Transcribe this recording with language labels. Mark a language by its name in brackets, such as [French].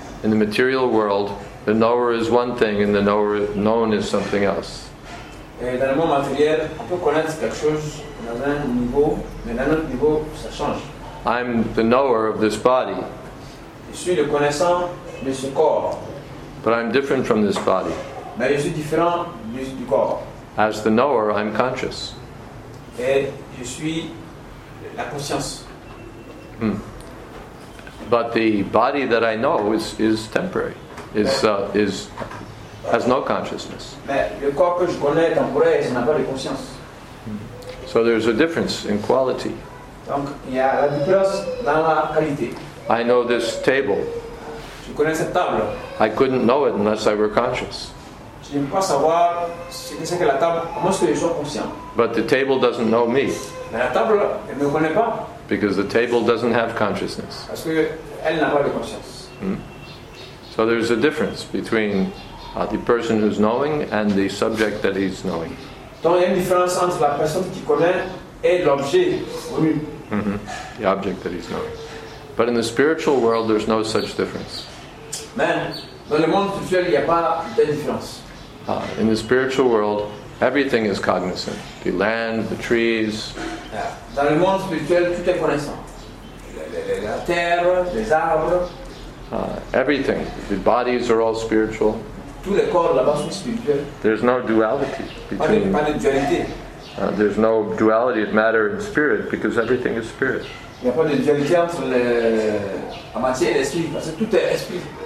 [English] In the material world, the knower is one thing and the knower known is something else. [French] Dans le monde matériel, on peut connaître quelque chose dans un niveau, mais dans un autre niveau, ça change. [English] I'm the knower of this body. [French] Je suis le connaissant de ce corps. [English] But I'm different from this body. [French] Mais je suis différent du corps. [English] As the knower, I'm conscious. [French] Et je suis la conscience. [English] But the body that I know is temporary. Is has no consciousness. [French] Mais le corps que je connais est temporaire et n'a pas de conscience. [English] So there's a difference in quality. [French] Donc il y a la différence dans la qualité. [English] I know this table. [French] Je connais cette table. [English] I couldn't know it unless I were conscious. [French] Je ne peux pas savoir ce que c'est que la table, comment est-ce que je sois conscient. [English] But the table doesn't know me. [French] Mais la table, elle ne me connaît pas. [English] Because the table doesn't have consciousness. [French] Parce qu'elle n'a pas de conscience. [English] So there's a difference between the person who's knowing and the subject that he's knowing. [French] Donc il y a une différence entre la personne qui connaît et l'objet connu. [English] The object that he's knowing. But in the spiritual world, there's no such difference. [French] Mais dans le monde spirituel, il n'y a pas de différence. [English] In the spiritual world, everything is cognizant. The land, the trees. [French] Dans le monde spirituel, tout est connaissant. terre, les arbres. [English] Everything. The bodies are all spiritual. [French] Tous les corps là-bas sont spirituels. [English] There's no duality between. [French] Pas de dualité. [English] There's no duality of matter and spirit because everything is spirit. [French] Il n'y a pas de dualité entre la matière et l'esprit parce que tout est esprit.